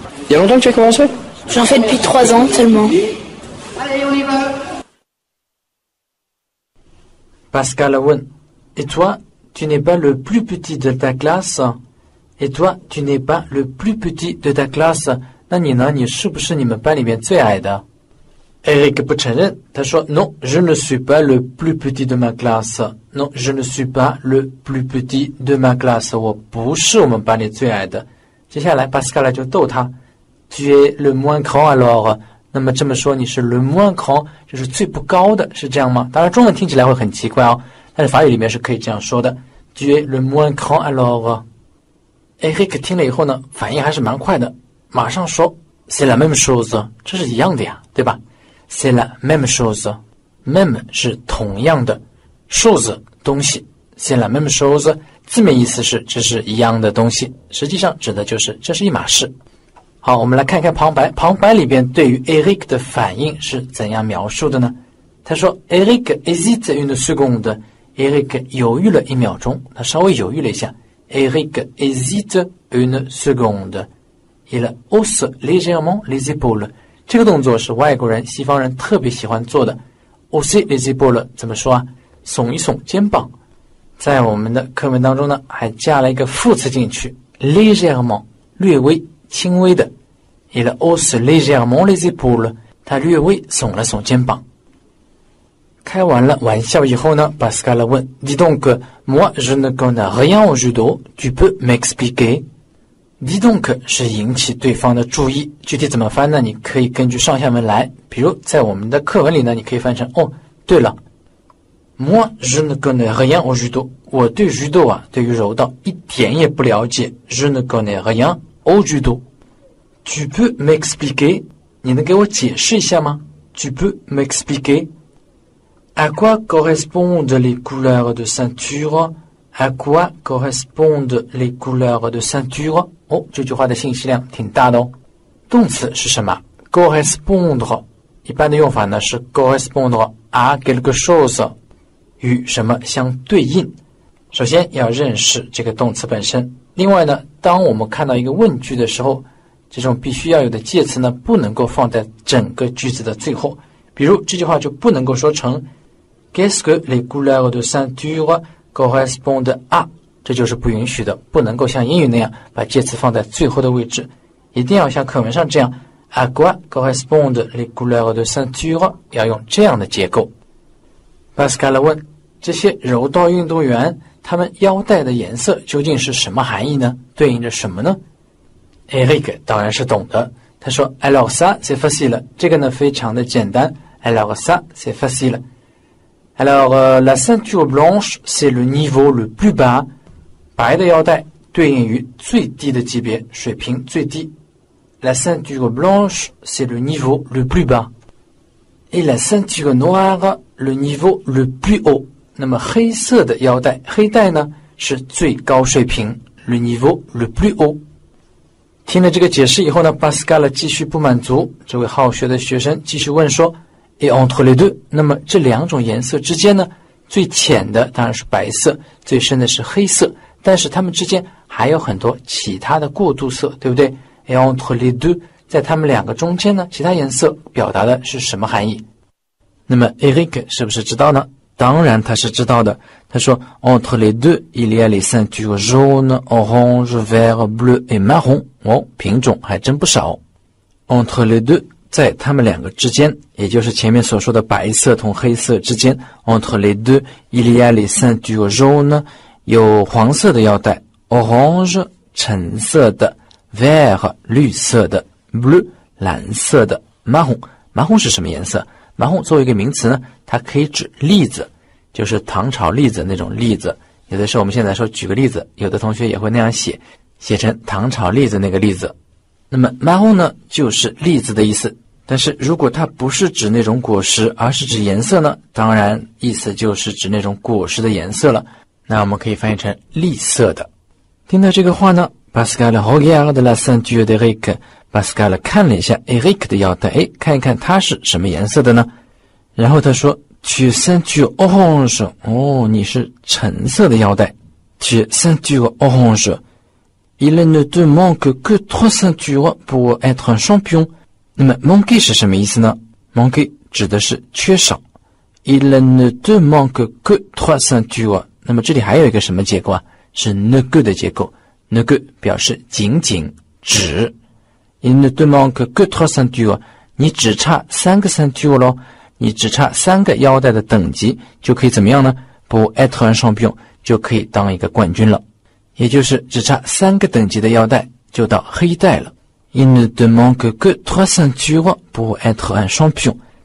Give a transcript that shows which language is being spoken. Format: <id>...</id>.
<fr>Il y a longtemps que tu as commencé? J'en fais depuis 3 ans seulement. Allez, on y va. Pascal Owen, et toi, tu n'es pas le plus petit de ta classe? Et toi, tu n'es pas le plus petit de ta classe?</fr> <zh>那你呢？你是不是你们班里面最矮的？</zh> <fr>Eric</fr> <zh>不承认，他说</zh> <fr>Non, je ne suis pas le plus petit de ma classe. Non, je ne suis pas le plus petit de ma classe.</fr> <zh>我不是我们班里最矮的。接下来 Pascal 就逗他。</zh> <fr>Tu es le moins grand alors?</fr> <zh>那么这么说你是</zh> <fr>le moins grand,</fr> <zh>就是最不高的是这样吗？当然中文听起来会很奇怪哦，但是法语里面是可以这样说的。</zh> <fr>Tu es le moins grand alors?</fr> <zh>Eric 听了以后呢，反应还是蛮快的，马上说</zh> <fr>C'est la même chose,</fr> <zh>这是一样的呀，对吧？</zh> <fr>C'est la même chose,</fr> <zh>même 是同样的， chose, 东西， C'est la même chose, 字面意思是这是一样的东西，实际上指的就是这是一码事。好，我们来看看旁白。旁白里边对于 Eric 的反应是怎样描述的呢？他说</zh> <fr>：“Eric hésite une seconde.</fr> <zh>Eric 犹豫了一秒钟，他稍微犹豫了一下。</zh> <fr>Eric hésite une seconde. Il hausse légèrement les épaules.</fr> <zh>这个动作是外国人、西方人特别喜欢做的。</zh> <fr>Hausser les épaules</fr> <zh>怎么说啊？耸一耸肩膀。在我们的课文当中呢，还加了一个副词进去 ，légèrement 略微。”轻微的</zh> <fr>Il hausse légèrement les épaules</fr> <zh>他略微耸了耸肩膀。开完了玩笑以后呢，巴斯卡拉问</zh> <fr>：“Dis donc, moi je ne connais rien au judo, tu peux m'expliquer？” Dis donc</fr> <zh>是引起对方的注意，具体怎么翻呢？你可以根据上下文来，比如在我们的课文里呢，你可以翻成：“哦，对了。”</zh> <fr>Moi, je ne connais rien au judo.</fr> <zh>我对 judo 啊，对于柔道一点也不了解。</zh> <fr>Je ne connais rien au judo. Tu peux m'expliquer?</fr> <zh>你能给我解释一下吗 ？</zh> <fr>Tu peux m'expliquer? À quoi correspondent les couleurs de ceinture? À quoi correspondent les couleurs de ceinture?</fr> <zh>哦，这句话的信息量挺大的哦。动词是什么 ？Correspondre. 一般的用法呢是</zh> <fr>correspondre à quelque chose.</fr> <zh>与什么相对应，首先要认识这个动词本身。另外呢，当我们看到一个问句的时候，这种必须要有的介词呢，不能够放在整个句子的最后。比如这句话就不能够说成</zh> <fr>Qu'est-ce que les couleurs de ceinture correspondent à?</fr> <zh>这就是不允许的，不能够像英语那样把介词放在最后的位置，一定要像课文上这样</zh> <fr>À quoi correspondent les couleurs de ceinture?</fr> <zh>要用这样的结构。巴斯卡拉问：“这些柔道运动员，他们腰带的颜色究竟是什么含义呢？对应着什么呢？” Eric 当然是懂的。他说 ：</zh> <fr>“Alors ça c'est facile，</fr> <zh>这个呢非常的简单。</zh> <fr>Alors ça c'est facile。 Alors la ceinture blanche c'est le niveau le plus bas，</fr> <zh>白的腰带对应于最低的级别，水平最低。</zh> <fr>La ceinture blanche c'est le niveau le plus bas。” Et la ceinture noire, le niveau le plus haut.</fr> <zh>那么黑色的腰带，黑带呢，是最高水平。</zh> <fr>Le niveau le plus haut.</fr> <zh>听了这个解释以后呢，巴斯卡拉继续不满足。这位好学的学生继续问说</zh> <fr>Et entre les deux,</fr> <zh>那么这两种颜色之间呢，最浅的当然是白色，最深的是黑色。但是它们之间还有很多其他的过渡色，对不对</zh> <fr>Et entre les deux,</fr> <zh>在他们两个中间呢，其他颜色表达的是什么含义？那么 Eric 是不是知道呢？当然他是知道的。他说</zh> <fr>Entre les deux, il y a les ceintures jaunes, orange, vert, bleu et marron.</fr> <zh>哦，品种还真不少。</zh> <fr>Entre les deux,</fr> <zh>在他们两个之间，也就是前面所说的白色同黑色之间。</zh> <fr>Entre les deux, il y a les ceintures jaunes,</fr> <zh>有黄色的腰带。 Orange, 橙色的。Vert, 绿色的。 Bleu, 蓝色的 marron, marron 是什么颜色 marron 作为一个名词呢它可以指栗子就是糖炒栗子那种栗子有的时候我们现在说举个例子有的同学也会那样写写成糖炒栗子那个栗子那么 marron 呢就是栗子的意思但是如果它不是指那种果实而是指颜色呢当然意思就是指那种果实的颜色了那我们可以翻译成栗色的听到这个话呢</zh> <fr>Pascal regarde la ceinture d'Eric</fr> <zh>巴斯卡拉看了一下 Eric 的腰带，哎，看一看它是什么颜色的呢？然后他说 ：</zh> <fr>“Tu ceinture orange，</fr> <zh>哦，你是橙色的腰带。</zh> <fr>Tu ceinture orange， il ne te manque que trois ceintures pour être un champion。</fr> <zh>那么 manque 是什么意思呢 ？manque 指的是缺少。</zh> <fr>il ne te manque que trois ceintures。</fr> <zh>那么这里还有一个什么结构啊？是 ne que 的结构 ，ne que 表示仅仅、只。</zh> <fr>Il ne te manque que trois ceintures.</fr> <zh>你只差三个 ceinture 咯。你只差三个腰带的等级就可以怎么样呢</zh> <fr>Pour être un champion,</fr> <zh>就可以当一个冠军了。也就是只差三个等级的腰带就到黑带了。</zh> <fr>Il ne te manque que trois ceintures pour être un champion.</fr>